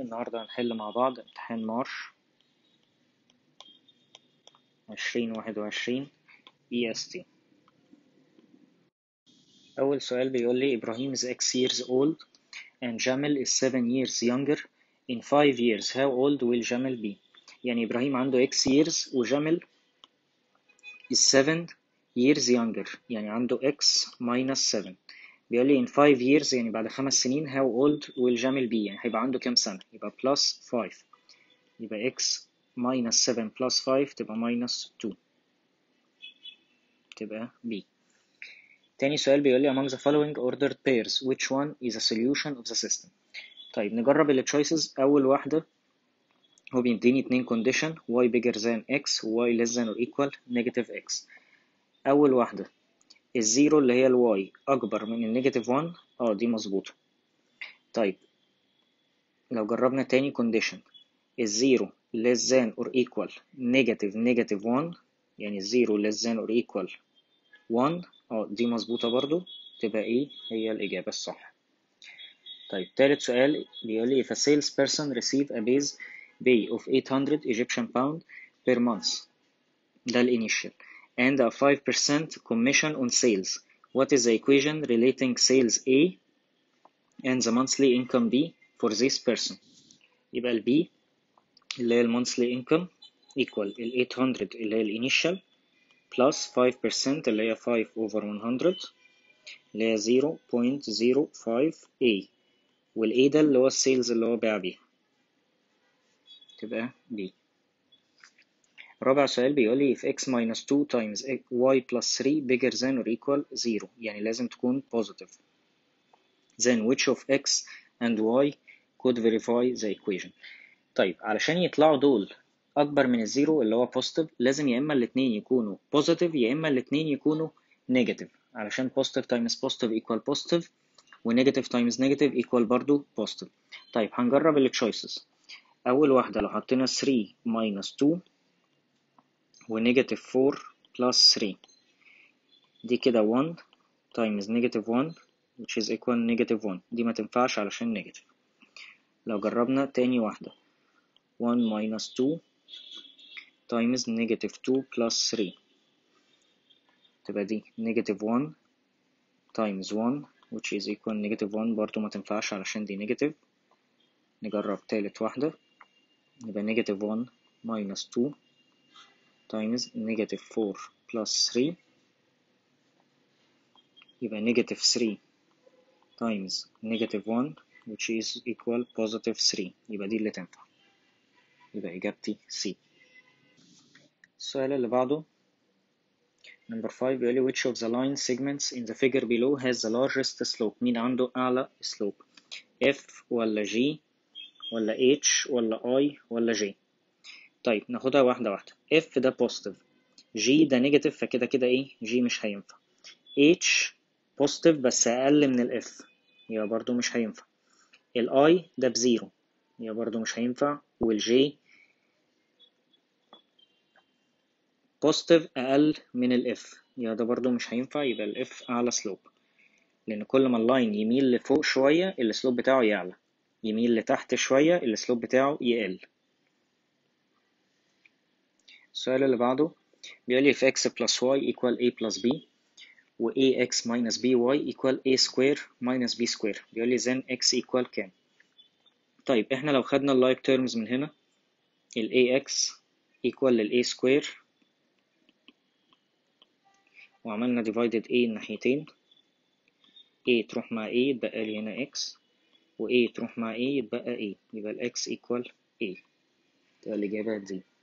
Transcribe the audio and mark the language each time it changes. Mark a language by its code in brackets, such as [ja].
[ar] النهاردة هنحل مع بعض امتحان مارس 2021 EST. أول سؤال بيقول لي [en] إبراهيم is 6 years old and Jamal is 7 years younger. In 5 years how old will Jamal be؟ [ar] يعني إبراهيم عنده [en] 6 years وجمل is 7 years younger، [ar] يعني عنده [en] x minus 7. [ar] بيقول لي in 5 years يعني بعد 5 سنين [en] how old will Jamal be، [ar] يعني هيبقى عنده كم سنة؟ يبقى plus 5، يبقى x minus 7 plus 5 تبقى minus 2 تبقى b. تاني سؤال بيقول لي [en] among the following ordered pairs which one is a solution of the system. [ar] طيب نجرب ال choices. أول واحدة هو بيديني اتنين [en] condition y bigger than x و y less than or equal negative x. [ar] أول واحدة الزيرو اللي هي الواي أكبر من النيجاتيف 1، دي مظبوطة. طيب لو جربنا تاني condition الزيرو [en] less than or equal negative negative 1، [ar] يعني الزيرو less than or equal 1، دي مظبوطة برضو، تبقى إيه هي الإجابة الصح. [en] طيب تالت سؤال بيقول لي if a sales person receive a base pay of 800 Egyptian pound per month، [ar] ده الانيشال، [en] and a 5% commission on sales. What is the equation relating sales A and the monthly income B for this person؟ يبقى ال B اللي هي monthly income equal ال 800 اللي هي الانيشال plus 5% اللي هي 5 over 100 اللي هي 0.05A، وال A ده اللي هو السيلز اللي هو باع بيها، تبقى B. رابع سؤال بيقول لي if x minus 2 times y plus 3 bigger than or equal 0، [ar] يعني لازم تكون [en] positive، then which of x and y could verify the equation. [ar] طيب علشان يطلعوا دول أكبر من الزيرو اللي هو positive لازم يا إما الاتنين يكونوا positive يا إما الاتنين يكونوا negative، علشان positive times positive equal positive و negative times negative equal برضو positive. طيب هنجرب ال choices. أول واحدة لو حطينا 3 minus 2 و negative 4 plus 3 دي كده 1 times negative 1 which is equal negative 1، دي ما تنفعش علشان negative. لو جربنا تاني واحدة 1 minus 2 times negative 2 plus 3 تبقى دي negative 1 times 1 which is equal negative 1، برضو ما تنفعش علشان دي negative. نجرب تالت واحدة يبقى negative 1 minus 2 times negative 4 plus 3 يبقى negative 3 times negative 1 [en] which is equal positive 3، [ar] يبقى دي اللي تنفع، يبقى إجابتي C. [en] السؤال اللي بعده number 5 بيقولي which of the line segments in the figure below has the largest slope، [ar] مين عنده أعلى [en] slope، F ولا G ولا H ولا I ولا J. [ar] طيب ناخدها واحدة واحدة. F ده positive، G ده negative، فكده كده ايه G مش هينفع، H positive بس أقل من ال F يبقى برضو مش هينفع، ال I ده بزيرو يبقى برضو مش هينفع، وال J positive أقل من ال F يبقى ده برضو مش هينفع، يبقى ال F أعلى slope، لأن كل ما ال line يميل لفوق شوية ال slope بتاعه يعلى، يميل لتحت شوية ال slope بتاعه يقل. السؤال اللي بعده بيقول لي [en] if x plus y equal a plus b و ax minus by equal a square minus b square، بيقول لي then x equal كام. [ar] طيب احنا لو خدنا ال like terms من هنا ال ax equal لل a square وعملنا divided a الناحيتين، a تروح مع a يبقى لي هنا x و a تروح مع a يبقى a، يبقى ال x equal a، تبقى الإجابة دي.